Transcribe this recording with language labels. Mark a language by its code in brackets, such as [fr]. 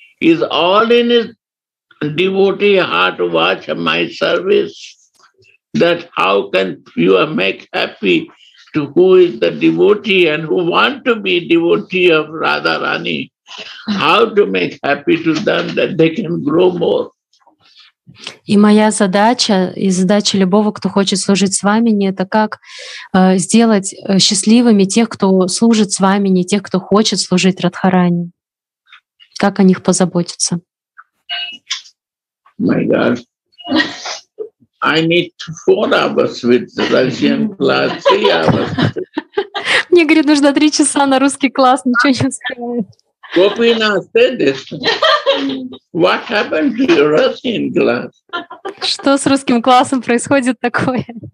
[en] Is all in his devotee heart watch my service. That how can you make happy to who is the devotee and who want to be devotee of Radharani? How to make happy to them that they can grow more? [ru] И моя задача, и задача любого, кто хочет служить Свамине, это как сделать счастливыми тех, кто служит Свамине, тех, кто хочет служить Радхарани. Как о них позаботиться? [en] My God, I need 4 hours with Russian class, 3 hours. [ru] Мне, говорит, нужно 3 часа на русский класс, ничего не успевать. [en] Gopina said this. What happened to your Russian class? [ru] Что с русским классом происходит такое?